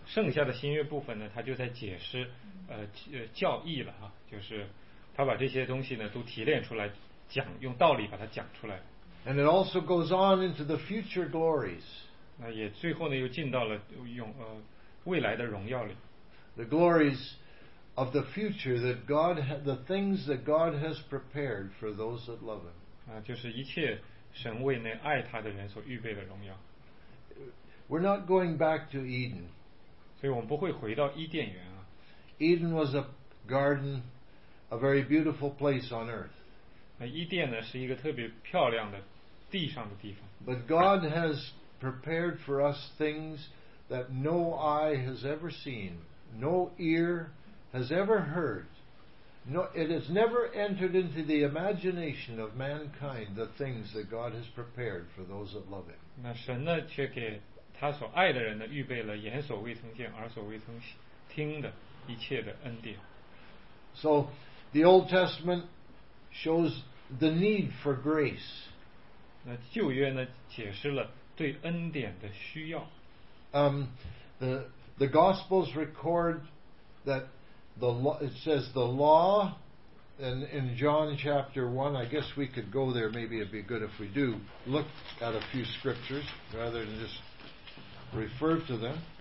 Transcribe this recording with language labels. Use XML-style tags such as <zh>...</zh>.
<zh>剩下的新约部分呢，他就在解释教义了啊，就是他把这些东西呢都提炼出来讲，用道理把它讲出来。</zh> <en>And it also goes on into the future glories.</en> <zh>那也最后呢又进到了用未来的荣耀里。</zh> <en>The glories of the future that God, the things that God has prepared for those that love Him.</en> <zh>就是一切神为那爱他的人所预备的荣耀。</zh> <en>We're not going back to Eden.</en> <zh>所以我们不会回到伊甸园啊。</zh> <en>Eden was a garden, a very beautiful place on earth.</en> <zh>那伊甸呢，是一个特别漂亮的地上的地方。</zh> <en>But God has prepared for us things that no eye has ever seen, no ear has ever heard. No, it has never entered into the imagination of mankind the things that God has prepared for those that love Him.</en> <zh>那神呢，却给他所爱的人呢，预备了眼所未曾见，耳所未曾听的一切的恩典。</zh> <en>So, the Old Testament shows the need for grace.</en> <zh>那旧约呢，解释了对恩典的需要。</zh> <en>The Gospels record that the law, it says the law, and in John chapter 1, I guess we could go there, maybe it'd be good if we do, look at a few scriptures rather than just refer to them.</en>